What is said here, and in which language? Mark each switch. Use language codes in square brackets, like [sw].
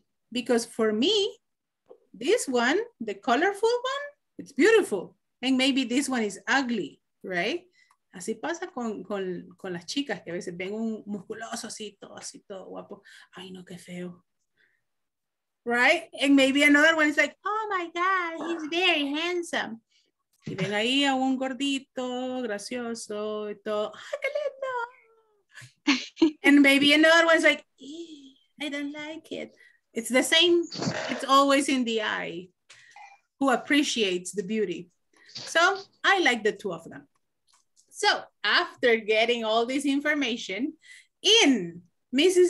[en] Because for me, this one, the colorful one, it's beautiful. And maybe this one is ugly, right? [es] Así pasa con las chicas, que a veces ven un musculoso así, todo guapo. Ay, no, qué feo. [en] Right? And maybe another one is like, oh my God, he's very handsome. [es] Y ven ahí a un gordito, gracioso, y todo. Ay, qué lindo. [en] And maybe another one is like, I don't like it. It's the same, it's always in the eye who appreciates the beauty. So I like the two of them. So after getting all this information in Mrs.